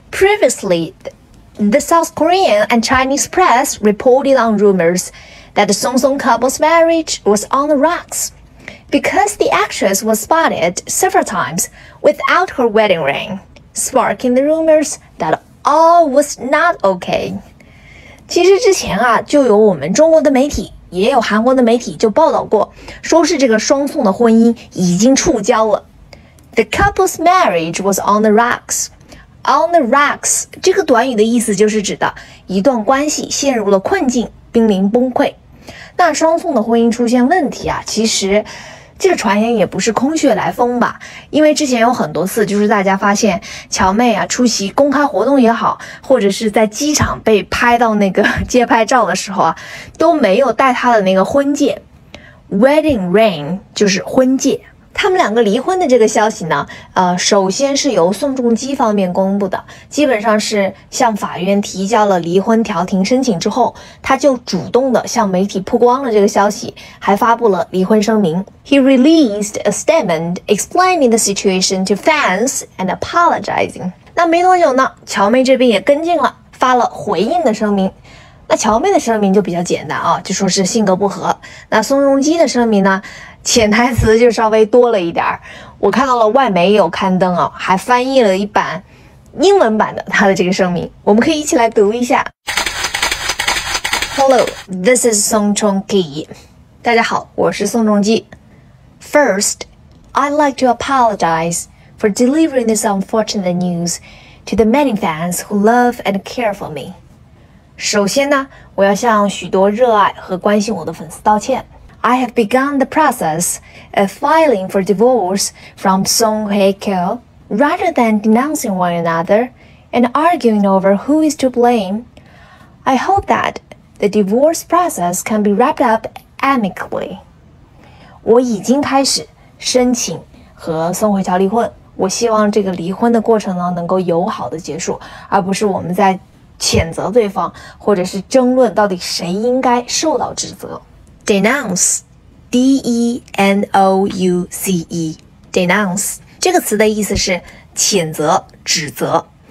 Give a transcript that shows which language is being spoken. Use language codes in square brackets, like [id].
[en] Previously, the South Korean and Chinese press reported on rumors that the Song Song couple's marriage was on the rocks because the actress was spotted several times without her wedding ring, sparking the rumors thatAll was not okay. [zh] 其实之前啊，就有我们中国的媒体，也有韩国的媒体就报道过，说是这个双宋的婚姻已经触礁了。 [en] The couple's marriage was on the rocks. On the rocks [zh] 这个短语的意思就是指的一段关系陷入了困境，濒临崩溃。那双宋的婚姻出现问题啊，其实这个传言也不是空穴来风吧，因为之前有很多次就是大家发现乔妹啊出席公开活动也好，或者是在机场被拍到那个街拍照的时候啊，都没有带她的那个婚戒。 [en] Wedding ring [zh] 就是婚戒。他们两个离婚的这个消息呢，首先是由宋仲基方面公布的，基本上是向法院提交了离婚调停申请之后，他就主动的向媒体曝光了这个消息，还发布了离婚声明。 [en] He released a statement explaining the situation to fans and apologizing. [zh] 那没多久呢，乔妹这边也跟进了，发了回应的声明。那乔妹的声明就比较简单啊，就说是性格不合。那宋仲基的声明呢，潜台词就稍微多了一点。我看到了外媒有刊登啊，还翻译了一版英文版的他的这个声明，我们可以一起来读一下。 [en] Hello, this is Song Chongki. 大家好，我是宋仲基。 First, I'd like to apologize for delivering this unfortunate news to the many fans who love and care for me. [zh] 首先呢，我要向许多热爱和关心我的粉丝道歉。 [en] I have begun the process of filing for divorce from Song Hye-kyo. Rather than denouncing one another and arguing over who is to blame, I hope that the divorce process can be wrapped up amicably. [zh] 我已经开始申请和宋慧乔离婚，我希望这个离婚的过程呢能够友好的结束，而不是我们在谴责对方或者是争论到底谁应该受到指责。 Denounce, D-E-N-O-U-C-E, denounce 这个词的意思是谴责、指责。